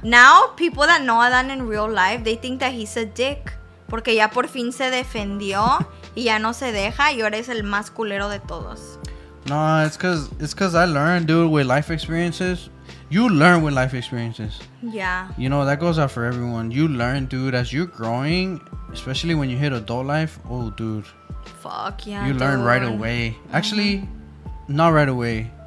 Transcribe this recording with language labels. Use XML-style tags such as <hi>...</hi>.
<en>Now, people that know Adan in real life, they think that he's a dick.</en> <es>Porque ya por fin se defendió y ya no se deja. Y ahora es el más culero de todos.</es> <en>No, it's cause I learned, dude, with life experiences. You learn with life experiences. Yeah. You know, that goes out for everyone. You learn, dude, as you're growing, especially when you hit adult life. Oh, dude. Fuck yeah. You learn right away. Actually, not right away.</en>